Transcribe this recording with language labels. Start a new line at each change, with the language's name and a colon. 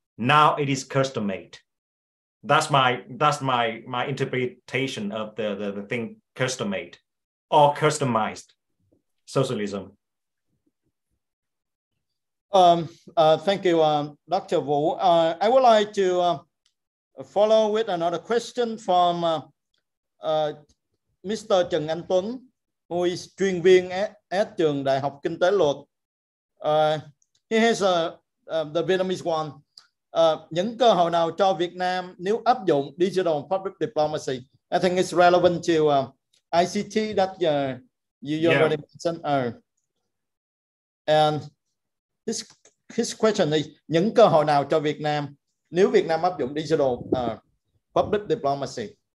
English: Now it is custom made. That's my interpretation of the thing custom made or customized socialism. Thank you, Dr. Vũ. I would like to follow with another question from Mr. Trần Anh Tuấn, Who is
Vietnamese: chuyên viên
English: at trường Đại học Kinh tế Luật. He has the Vietnamese one.
Vietnamese: Những cơ hội nào cho Việt Nam nếu áp dụng digital public diplomacy?
English: I think it's relevant to ICT that you already mentioned. And his question is,
Vietnamese: những cơ hội nào cho Việt Nam nếu Việt Nam áp dụng digital public diplomacy?